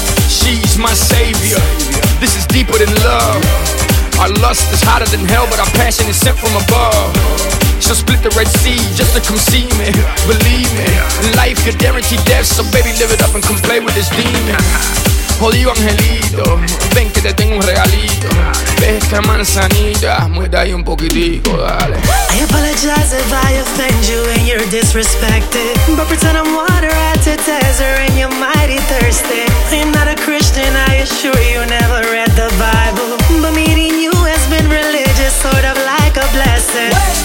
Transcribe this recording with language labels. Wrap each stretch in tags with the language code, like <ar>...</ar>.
<en>She's my savior, this is deeper than love. Our lust is hotter than hell, but our passion is sent from above. She'll split the Red Sea just to come see me, believe me. Life could guarantee death, so baby live it up and come play with this demon.</en> <es>Jodido angelito, ven que te tengo un regalito. Ve esta manzanita, muerde ahí un poquitico, dale.</es> <en>I apologize if I offend you and you're disrespected, but pretend I'm water at the desert and you're mighty thirsty. I'm not a Christian, I assure you, never read the Bible, but meeting you has been religious, sort of like a blessing.</en>